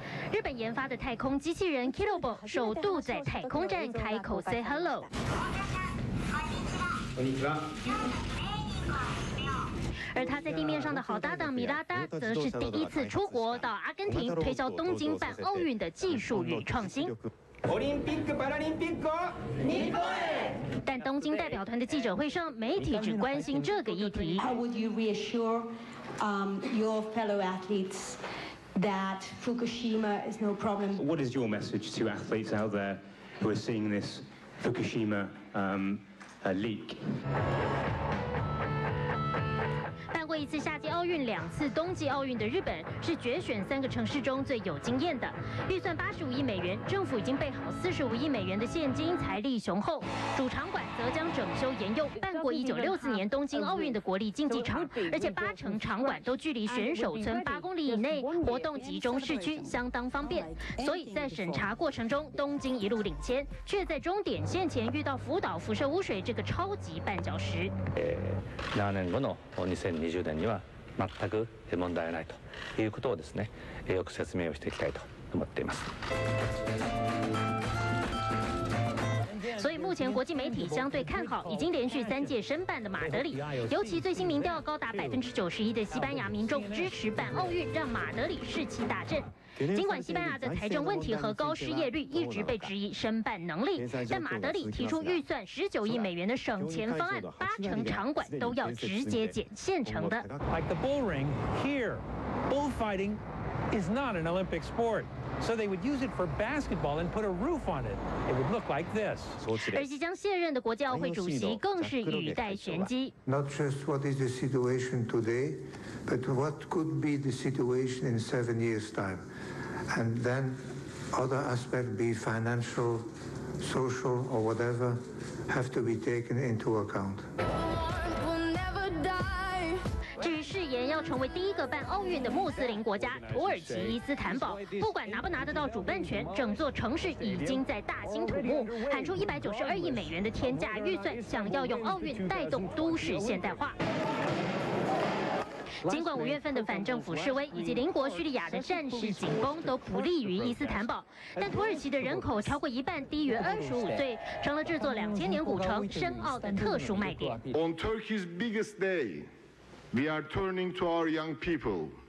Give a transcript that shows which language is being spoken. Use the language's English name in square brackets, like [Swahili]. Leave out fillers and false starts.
[Chinese] 日本研发的太空机器人 Kirobo 首度在太空站开口 [English] say hello。 [Chinese] 而他在地面上的好搭档米拉达则是第一次出国到阿根廷推销东京办奥运的技术与创新。 [Japanese] オリンピック・パラリンピック日本へ。 [Chinese] 但东京代表团的记者会上，媒体只关心这个议题。 [English] How would you reassure your fellow athletes that Fukushima is no problem? What is your message to athletes out there who are seeing this Fukushima leak? [Chinese] 过一次夏季奥运，两次冬季奥运的日本是决选三个城市中最有经验的，预算85亿美元，政府已经备好45亿美元的现金，财力雄厚。主场馆则将整修沿用办过1964年东京奥运的国立竞技场，而且80%场馆都距离选手村8公里以内，活动集中市区，相当方便。所以在审查过程中，东京一路领先，却在终点线前遇到福岛辐射污水这个超级绊脚石。 [Japanese] 2020年には全く問題ないということをですね、よく説明をしていきたいと思っています。 [Chinese] 所以目前国际媒体相对看好已经连续三届申办的马德里，尤其最新民调高达91%的西班牙民众支持办奥运，让马德里士气大振。尽管西班牙的财政问题和高失业率一直被质疑申办能力，但马德里提出预算19亿美元的省钱方案，80%场馆都要直接捡现成的。 [English] Like the bullring here, bullfighting is not an Olympic sport. So they would use it for basketball and put a roof on it. It would look like this. [Chinese] 而即将卸任的国际奥会主席更是语带玄机。 [English] Not just what is the situation today, but what could be the situation in 7 years' time, and then other aspects, be financial, social, or whatever, have to be taken into account. [Chinese] 要成为第一个办奥运的穆斯林国家，土耳其伊斯坦堡不管拿不拿得到主办权，整座城市已经在大兴土木，喊出192亿美元的天价预算，想要用奥运带动都市现代化。尽管五月份的反政府示威以及邻国叙利亚的战事紧绷都不利于伊斯坦堡，但土耳其的人口超过一半低于25岁，成了这座2000年古城深奥的特殊卖点。 [English] On Turkey's biggest dayWe are turning to our young people.